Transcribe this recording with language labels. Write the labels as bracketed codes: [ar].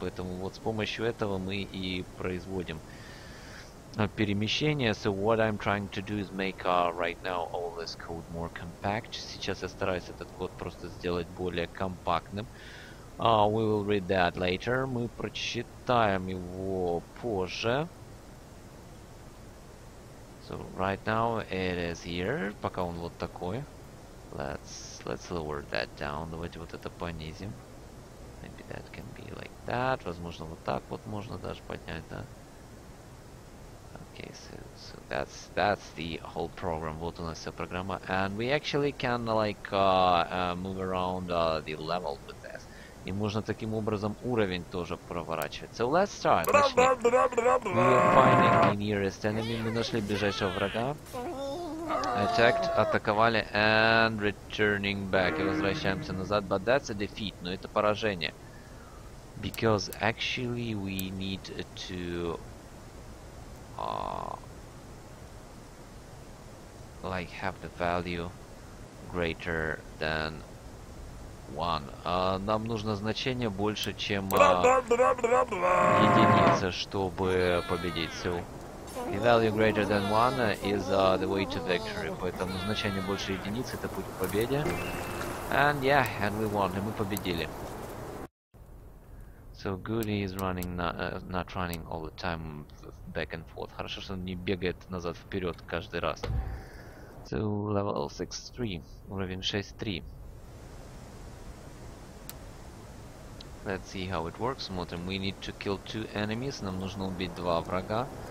[ru] Поэтому вот с помощью этого мы и производим перемещение. [en] So what I'm trying to do is make right now all this code more compact. [ru] Сейчас я стараюсь этот код просто сделать более компактным. [en] We will read that later. [ru] Мы прочитаем его позже. [en] So right now it is here. [ru] Пока он вот такой. [en] Let's lower that down. [ru] Давайте вот это понизим. [en] Maybe that can be like that. [ru] Возможно, вот так вот можно даже поднять, да? [en] Okay, so that's the whole program. [ru] Вот у нас вся программа. [en] And we actually can, move around the level with this. [ru] И можно таким образом уровень тоже проворачивать. [en] So let's start. We are finding the nearest enemy. [ru] Мы нашли ближайшего врага. [en] Attacked, [ru] атаковали, [en] and returning back. [ru] И возвращаемся назад. [en] But that's a defeat. [ru] Но это поражение. [en] Because actually we need to... like have the value greater than 1. [ru] Нам нужно значение больше, чем единица, чтобы победить. [en] So, the value greater than 1 is the way to victory. [ru] Поэтому значение больше единицы — это путь к победе. [en] And yeah, and we won. [ru] И мы победили. [en] So Goody is running, not running all the time back and forth. [ru] Хорошо, что он не бегает назад вперед каждый раз. [en] So level 6.3, [ru] уровень 6.3. [en] Let's see how it works. [ru] Смотрим, [en] we need to kill two enemies. [ru] Нам нужно убить два врага.